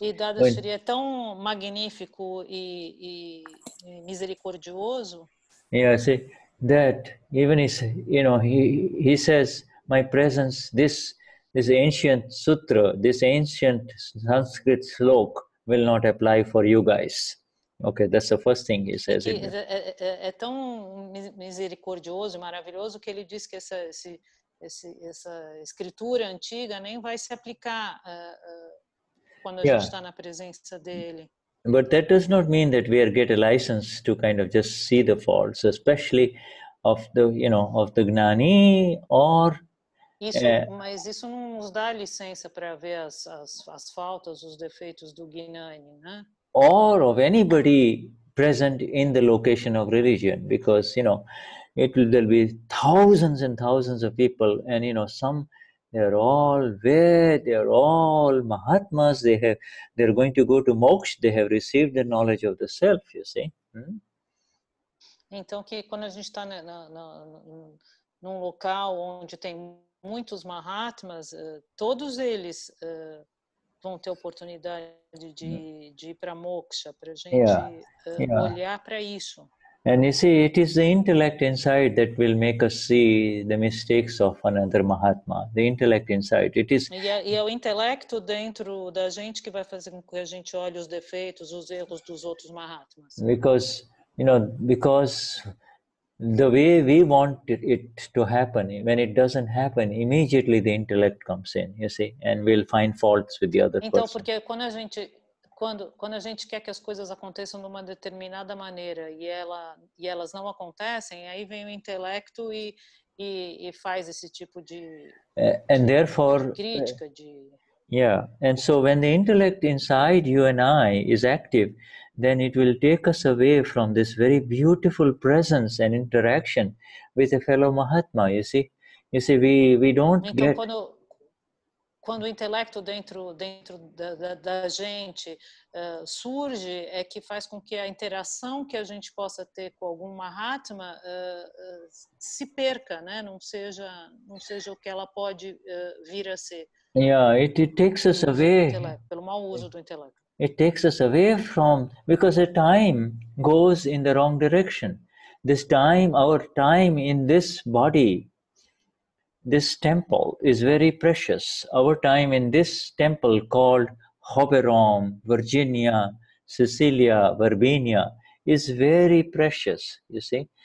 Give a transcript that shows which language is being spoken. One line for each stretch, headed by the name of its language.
Portuguese: E Dadashri é tão magnífico e misericordioso.
English: Yeah, see, that even is, you know, he says, my presence, this ancient sutra, this ancient Sanskrit slok will not apply for you guys. Okay, that's the first thing he says.
Portuguese: É tão misericordioso, maravilhoso, que ele diz que essa escritura antiga nem vai se aplicar quando a gente está na presença dele.
English: But that does not mean that we are get a license to kind of just see the faults, especially of the, you know, of the Gnani or.
Portuguese: Mas isso não nos dá licença para ver as faltas, os defeitos do Gnani, né?
English: Or of anybody present in the location of religion, because, you know, there'll be thousands and thousands of people, and, you know, some. They're all Mahatmas. They're going to go to moksha. They have received the knowledge of the self, you see.
Portuguese: Então, que quando a gente está num local onde tem muitos Mahatmas, todos eles vão ter oportunidade de ir para moksha, para a gente olhar para isso.
English: And you see, it is the intellect inside that will make us see the mistakes of another Mahatma. The intellect inside. It is.
Portuguese: E é o intelecto dentro da gente que vai fazer com que a gente olhe os defeitos, os erros dos outros Mahatmas.
English: Because, you know, because the way we want it to happen, when it doesn't happen, immediately the intellect comes in, you see, and we'll find faults with the other person.
Portuguese: Então, porque quando a gente. Quando a gente quer que as coisas aconteçam de uma determinada maneira e elas não acontecem, aí vem o intelecto e faz esse tipo de crítica.
English: And so when the intellect inside you and I is active, then it will take us away from this very beautiful presence and interaction with a fellow Mahatma, you see? You see, we don't
Portuguese: então,
English: get...
Portuguese: Quando o intelecto dentro da gente surge, é que faz com que a interação que a gente possa ter com algum Mahatma se perca, né? Não seja o que ela pode vir a ser.
English: Yeah, it takes us away.
Portuguese: Pelo mau uso do intelecto.
English: It takes us away from, because the time goes in the wrong direction. This time, our time in this body. This temple is very precious. Our time in this temple called Hoverom, Virginia, Sicilia, Verbenia is very precious, you see.